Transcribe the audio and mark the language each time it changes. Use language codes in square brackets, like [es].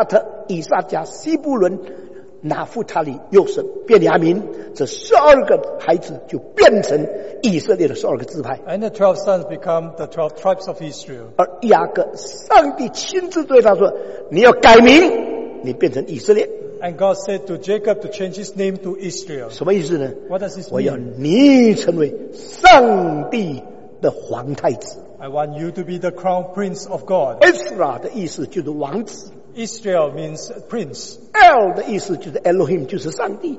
[zh] 流便、西面、犹大、利未、但、亚瑟、加特、以撒加、西布伦、 拿弗他利、约瑟、便雅悯, 这12个孩子就变成以色列的12个支派, [en] and the 12 sons become the 12 tribes of Israel. [zh] 而雅各上帝亲自对他说, 你要改名, 你变成以色列, [en] and God said to Jacob to change his name to Israel. [zh] 什么意思呢? [en] What does this mean? [zh] 我要你成为上帝的皇太子, [en] I want you to be the crown prince of God. [zh] Ezra的意思就是王子, [en] Israel means prince. [zh] El 的意思就是 Elohim, 就是上帝,